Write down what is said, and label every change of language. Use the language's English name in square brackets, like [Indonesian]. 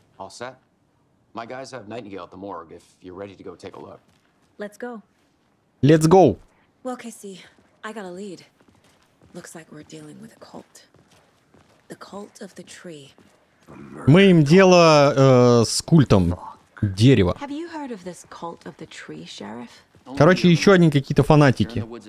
[English] Set. My guys have Nightingale at the morgue. If you're ready to go, take a look. Let's go. Well, Casey, I got a lead. Looks like we're dealing with a cult. The cult of the tree. [Russian] Мы им дело с культом дерева. [English] Have you heard of this cult of the tree, Sheriff? [Russian] Короче, еще одни какие-то фанатики.